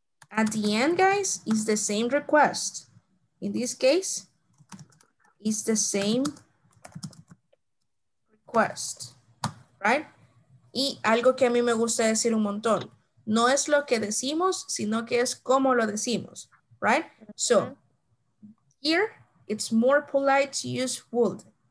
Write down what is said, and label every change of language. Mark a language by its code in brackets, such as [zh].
[en] At the end, guys, is the same request. In this case, it's the same request, right? [es] Y algo que a mí me gusta decir un montón, no es lo que decimos, sino que es cómo lo decimos, right? [en] So, here, it's more polite to use would.